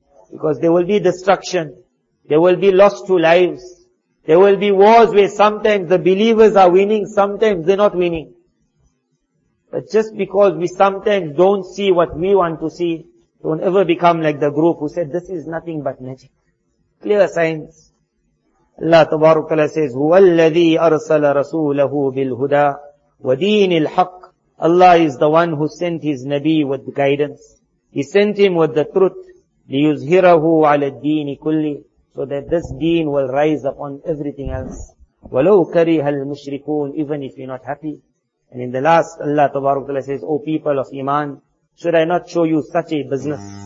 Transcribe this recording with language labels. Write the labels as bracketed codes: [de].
[en] Because there will be destruction, there will be loss to lives, there will be wars where sometimes the believers are winning, sometimes they're not winning. But just because we sometimes don't see what we want to see, don't ever become like the group who said, this is nothing but magic. Clear signs. [ar] Allah Tabarakala says, هُوَ الَّذِي أَرْسَلَ رَسُولَهُ بِالْهُدَىٰ وَدِينِ الْحَقِّ. [en] Allah is the one who sent his Nabi with guidance. He sent him with the truth. [ar] لِيُزْهِرَهُ عَلَى الدِّينِ كُلِّ. [en] So that this deen will rise upon everything else. [ar] وَلَوْ كَرِهَ الْمُشْرِكُونَ. [en] Even if you're not happy. And in the last, Allah Tabarakala says, O people of Iman, should I not show you such a business?